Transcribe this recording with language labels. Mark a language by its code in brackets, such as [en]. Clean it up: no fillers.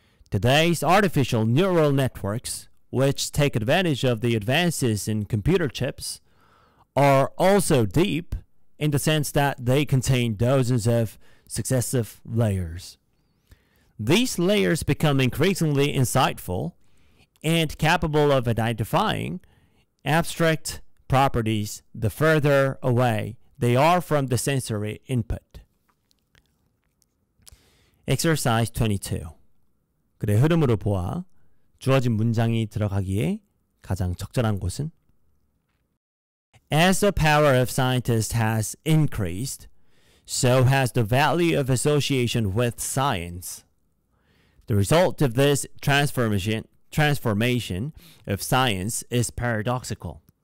[en] Today's artificial neural networks, which take advantage of the advances in computer chips, are also deep in the sense that they contain dozens of successive layers. These layers become increasingly insightful and capable of identifying abstract properties the further away they are from the sensory input. Exercise 22. [ko] 글의 흐름으로 보아 주어진 문장이 들어가기에 가장 적절한 곳은 [en] As the power of scientists has increased, so has the value of association with science. The result of this transformation of science is paradoxical.